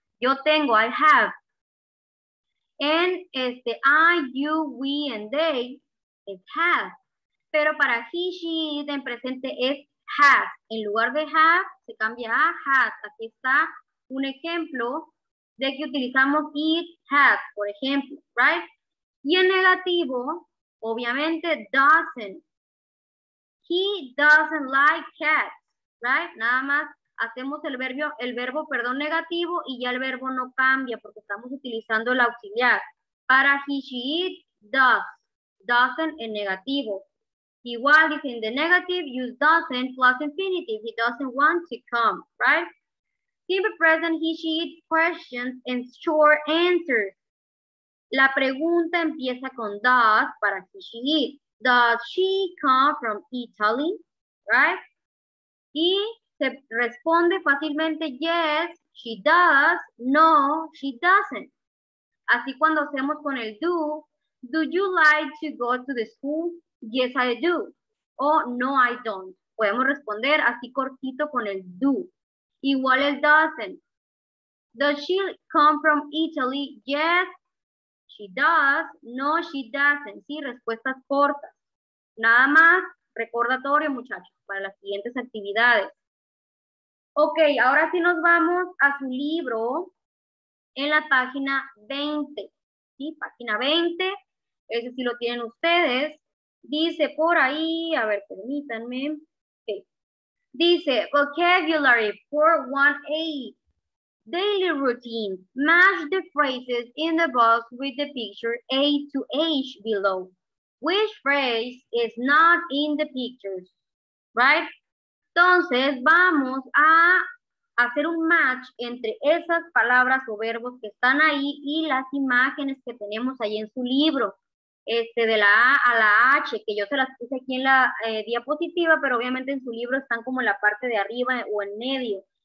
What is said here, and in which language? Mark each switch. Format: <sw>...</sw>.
<es>Yo tengo,</es> <en>I have.</en> <es>En I, you, we, and they, es have. Pero para he, she, it, en presente es has. En lugar de has, se cambia a has. Aquí está un ejemplo de que utilizamos it, has, por ejemplo, right? Y en negativo, obviamente, doesn't.</es> <en>He doesn't like cats, right?</en> <es>Nada más. Hacemos el verbo negativo y ya el verbo no cambia porque estamos utilizando el auxiliar. Para he, she, it, does. Doesn't en negativo. Igual dice</es> <en>in the negative, use doesn't plus infinitive. He doesn't want to come, right? Simple present, he, she, it, questions and short answers.</en> <es>La pregunta empieza con does para he, she, it.</es> <en>Does she come from Italy, right?</en> <es>Y se responde fácilmente,</es> <en>yes, she does, no, she doesn't.</en> <es>Así cuando hacemos con el do,</es> <en>do you like to go to the school? Yes, I do. O no, I don't.</en> <es>Podemos responder así cortito con el do. Igual el doesn't.</es> <en>Does she come from Italy? Yes, She does. No, she doesn't.</en> <es>Sí, respuestas cortas. Nada más, recordatorio, muchachos, para las siguientes actividades. Ok, ahora sí nos vamos a su libro en la página 20. ¿Sí? Página 20, ese sí lo tienen ustedes. Dice por ahí, a ver, permítanme. Okay. Dice, vocabulary 4.1a.</es> <en>Daily routine. Match the phrases in the box with the picture A to H below. Which phrase is not in the pictures? Right?</en> <es>Entonces, vamos a hacer un match entre esas palabras o verbos que están ahí y las imágenes que tenemos ahí en su libro. Este, de la A a la H, que yo se las puse aquí en la diapositiva, pero obviamente en su libro están como en la parte de arriba o en medio.</es>